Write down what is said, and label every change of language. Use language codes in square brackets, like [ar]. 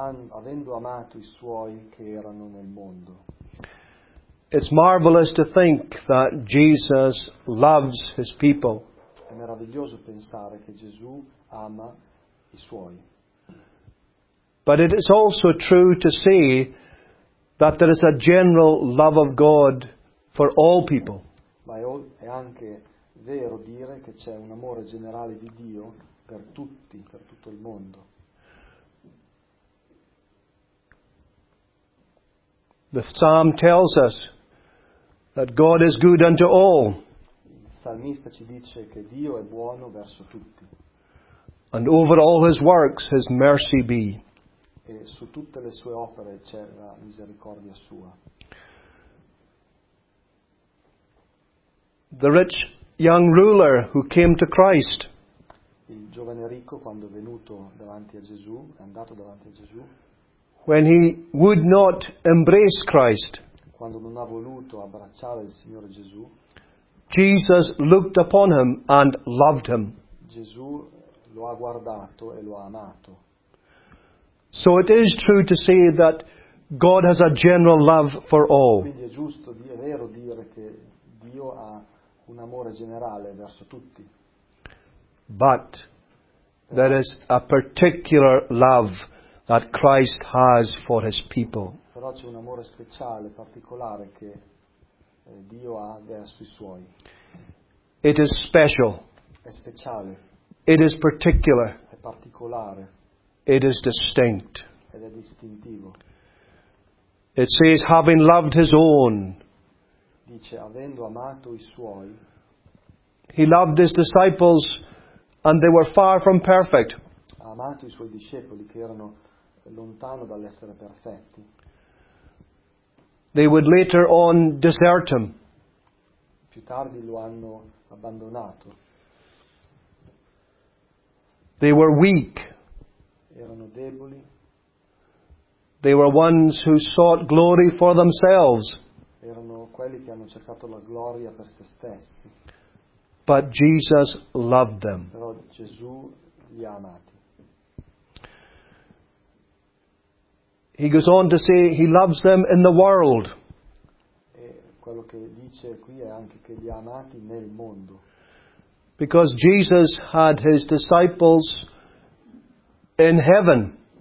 [it] avendo amato i suoi che erano nel mondo. [en] It's marvelous to think that Jesus loves his people. [it] È meraviglioso pensare che Gesù ama i suoi. [en] But it is also true to say that there is a general love of God for all people. [it] Ma è anche vero dire che c'è un amore generale di Dio per tutti, per tutto il mondo. [en] The psalm tells us that God is good unto all. [it] Il salmista ci dice che Dio è buono verso tutti. [en] And over all his works his mercy be. [it] E su tutte le sue opere c'è la misericordia sua. [en] The rich young ruler who came to Christ. [it] Il giovane ricco quando è venuto davanti a Gesù, è andato davanti a Gesù. [en] When he would not embrace Christ, [it] quando non ha voluto abbracciare il Signore Gesù, [en] Jesus looked upon him and loved him. [it] Gesù lo ha guardato e lo ha amato. [en] So it is true to say that God has a general love for all. [it] Quindi è giusto, è vero dire che Dio ha un amore generale verso tutti. [en] But there is a particular love that Christ has for his people. [it] Però c'è un amore speciale, particolare che Dio ha verso i suoi. [en] It is special. [it] È speciale. [en] It is particular. [it] È particolare. [en] It is distinct. [it] Ed è distintivo. [en] It says, having loved his own. [it] Dice, avendo amato i suoi. [en] He loved his disciples, and they were far from perfect. [it] Ha amato i suoi discepoli che erano lontano dall'essere perfetti. [en] They would later on desert him. [it] Più tardi lo hanno abbandonato. [en] They were weak. [it] Erano deboli. [en] They were ones who sought glory for themselves. [it] Erano quelli che hanno cercato la gloria per se stessi. [en] But Jesus loved them. [it] Però Gesù li ha amati. [en] He goes on to say he loves them in the world. [it] E quello che dice qui è anche che li ha amati nel mondo. [en] because Jesus had his disciples in heaven.